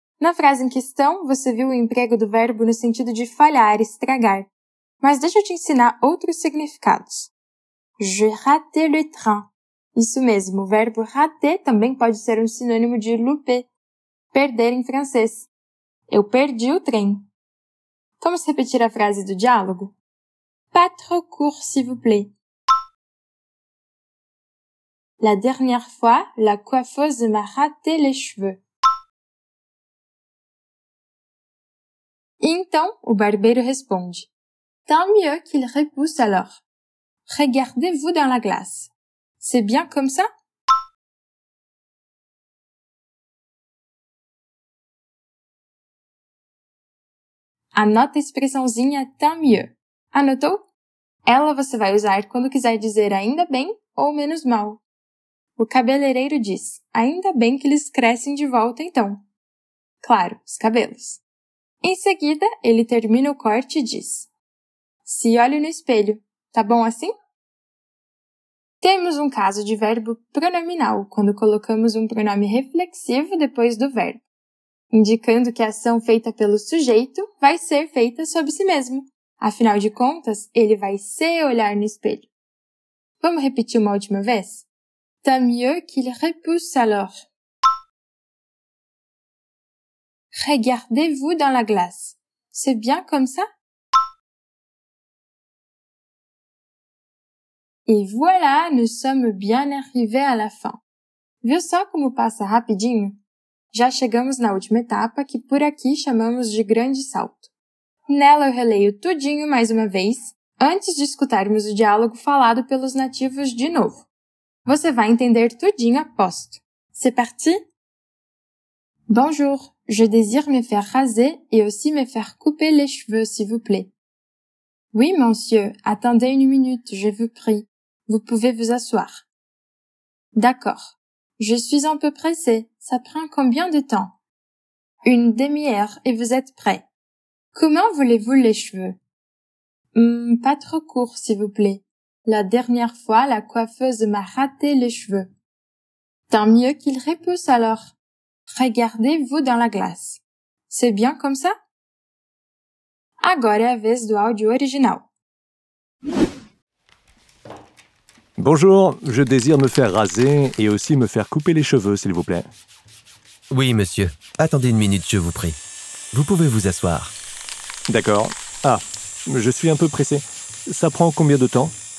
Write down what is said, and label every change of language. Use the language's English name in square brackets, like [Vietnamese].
[Portuguese] Na frase em questão, você viu o emprego do verbo no sentido de falhar, estragar. Mas deixa eu te ensinar outros significados. [French] Je raté le train. [Portuguese] Isso mesmo, o verbo raté também pode ser um sinônimo de louper, perder em francês. Eu perdi o trem. Vamos repetir a frase do diálogo? [French] Pas trop court, s'il vous plaît. La dernière fois, la coiffeuse m'a raté les cheveux. [Portuguese] Então, o barbeiro responde. [French] Tant mieux qu'il repousse alors. Regardez-vous dans la glace. C'est bien comme ça? [Portuguese] Anota a expressãozinha tant mieux. Anotou? Ela você vai usar quando quiser dizer ainda bem ou menos mal. O cabeleireiro diz, ainda bem que eles crescem de volta então. Claro, os cabelos. Em seguida, ele termina o corte e diz, se olhe no espelho, tá bom assim? Temos um caso de verbo pronominal, quando colocamos um pronome reflexivo depois do verbo, indicando que a ação feita pelo sujeito vai ser feita sobre si mesmo. Afinal de contas, ele vai se olhar no espelho. Vamos repetir uma última vez? [French] Tant mieux qu'il repousse alors. Regardez-vous dans la glace. C'est bien comme ça? Et voilà, nous sommes bien arrivés à la fin. [Portuguese] Viu só como passa rapidinho? Já chegamos na última etapa, que por aqui chamamos de grande salto. Nela eu releio tudinho mais uma vez, antes de escutarmos o diálogo falado pelos nativos de novo. Você vai entender tudinho aposto. [French] C'est parti? Bonjour, je désire me faire raser et aussi me faire couper les cheveux, s'il vous plaît. Oui, monsieur, attendez une minute, je vous prie. Vous pouvez vous asseoir. D'accord. Je suis un peu pressée. Ça prend combien de temps? Une demi-heure et vous êtes prêt. Comment voulez-vous les cheveux? Pas trop court, s'il vous plaît. La dernière fois, la coiffeuse m'a raté les cheveux. Tant mieux qu'il repousse alors. Regardez-vous dans la glace. C'est bien comme ça? [Portuguese] Agora é a vez do áudio original. [French] Bonjour, je désire me faire raser et aussi me faire couper les cheveux, s'il vous plaît. Oui, monsieur. Attendez une minute, je vous prie. Vous pouvez vous asseoir. D'accord. Ah, je suis un peu pressé. Ça prend combien de temps?